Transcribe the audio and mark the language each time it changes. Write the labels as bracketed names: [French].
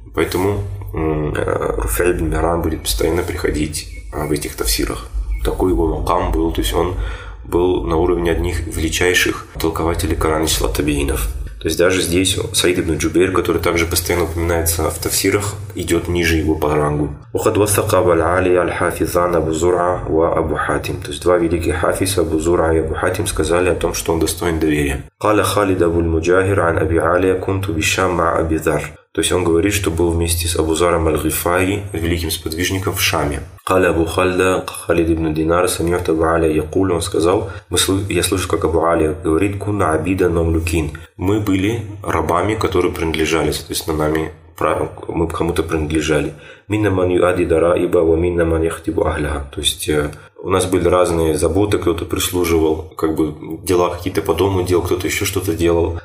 [Russian] Поэтому Руфей ибн Миран будет постоянно приходить в этих тафсирах. Такой его макам был, то есть он был на уровне одних величайших толкователей Корана числа табиинов. То есть даже здесь Саид ибн Джубейр, который также постоянно упоминается в тафсирах, идет ниже его по рангу. [Arabic] وقد وثق أبو العالي الحافظان أبو زرعة وأبو حاتم. [Russian] То есть два великих хафиза, Абу Зурра и Абу Хатим, сказали о том, что он достоин доверия. [Arabic] قال خالد أبو المجاهر عن أبي علي كنت بالشام مع أبي ذر. [Russian] То есть он говорит, что был вместе с Абу Заром аль-Гифари, великим сподвижником в Шаме. [Arabic] قال أبو خالد خالد ابن دينار سمعت أبو علي يقول. [Russian] Он сказал, я слышу, как Абу Али говорит, [Arabic] كنا عبيدا مملوكين. [Russian] Мы были рабами, которые принадлежали, соответственно, нами, мы кому-то принадлежали. [Arabic] Минна ман юади дараиба ва минна ман яхтибу ахляха. [Russian] То есть у нас были разные заботы, кто-то прислуживал, как бы дела какие-то по дому делал, кто-то еще что-то делал.